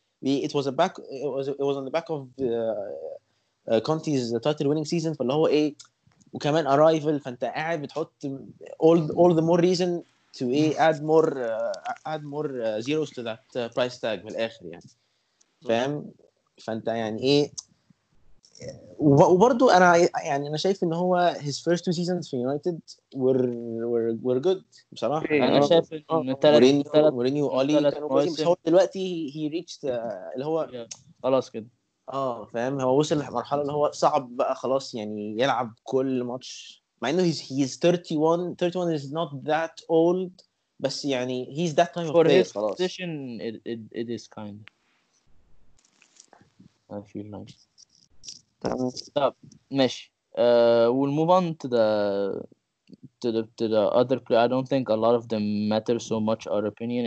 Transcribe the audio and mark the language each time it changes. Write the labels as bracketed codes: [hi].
[en] It was on the back of Conte's title winning season, [ar] فاللي هو ايه, وكمان [en] arrival, [ar] فانت قاعد بتحط [en] all the more reason to add more zeros to that price tag [ar] من الآخر يعني, فهم؟ فانت يعني ايه, وبرضو انا يعني انا شايف ان هو [en] his first two seasons [ar] في [en] United were good [ar] بصراحة. انا شايف ان مورينيو وأولي كانوا كويسين, بس هو دلوقتي [en] he reached [ar] اللي هو خلاص كده, فهم, هو وصل لمرحلة اللي هو صعب بقى خلاص يعني يلعب كل ماتش. [en] I know he's 31. 31 is not that old, but [ar] يعني [en] he's that type of player. For his position, it is kind. I feel like. Stop. Mesh. We'll move on to the other player. I don't think a lot of them matter so much our opinion.